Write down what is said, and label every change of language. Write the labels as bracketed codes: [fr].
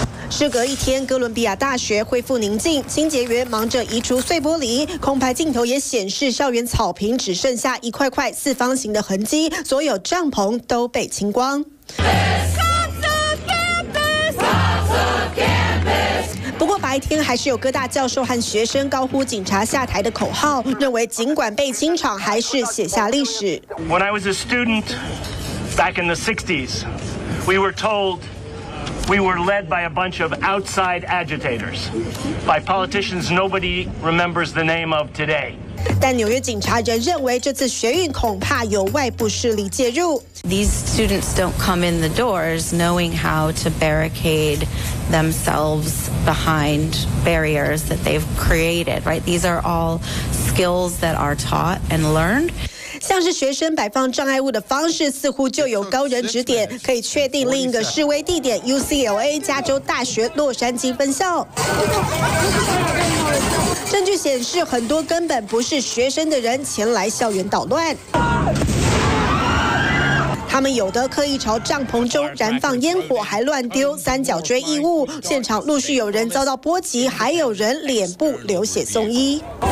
[zh] 事隔一天，哥伦比亚大学恢复宁静，清洁员忙着移除碎玻璃，空拍镜头也显示校园草坪只剩下一块块四方形的痕迹，所有帐篷都被清光。不过白天还是有各大教授和学生高呼警察下台的口号，认为尽管被清场，还是写下历史。 [en] When I was a student back in the 60s, we were toldWe were led by a bunch of outside agitators, by politicians nobody remembers the name of today. [zh] 但纽约警察仍认为这次学运恐怕有外部势力介入。 [en] These students don't come in the doors knowing how to barricade themselves behind barriers that they've created, right? These are all skills that are taught and learned. [zh] 像是学生摆放障碍物的方式似乎就有高人指点，可以确定另一个示威地点 UCLA 加州大学洛杉矶分校。证据显示很多根本不是学生的人前来校园捣乱，他们有的刻意朝帐篷中燃放烟火，还乱丢三角锥异物，现场陆续有人遭到波及，还有人脸部流血送医。